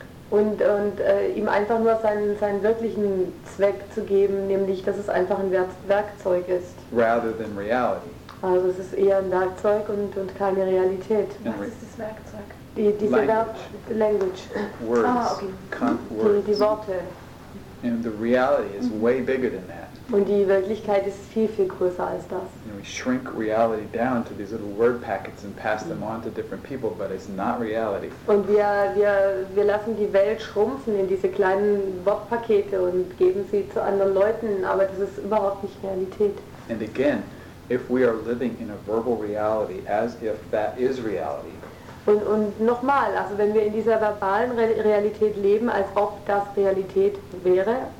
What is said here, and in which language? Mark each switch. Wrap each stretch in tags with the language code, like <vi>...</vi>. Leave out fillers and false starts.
<de>Und ihm einfach nur seinen wirklichen Zweck zu geben, nämlich dass es einfach ein Werkzeug ist.</de> <en>Rather than reality.</en> <de>Also es ist eher ein Werkzeug und keine Realität. Was ist das Werkzeug? Diese Language.</de> <en>Words. Words.</en> <de>Die Worte.</de> <en>And the reality is way bigger than that.</en> <de>Und die Wirklichkeit ist viel, viel größer als das.</de> <en>And we shrink reality down to these little word packets and pass them on to different people, but it's not reality.</en> <de>Und wir lassen die Welt schrumpfen in diese kleinen Wortpakete und geben sie zu anderen Leuten, aber das ist überhaupt nicht Realität.</de> <en>And again, if we are living in a verbal reality as if that is reality.</en> <de>Und nochmal, also wenn wir in dieser verbalen Realität leben, als ob das Realität wäre,</de>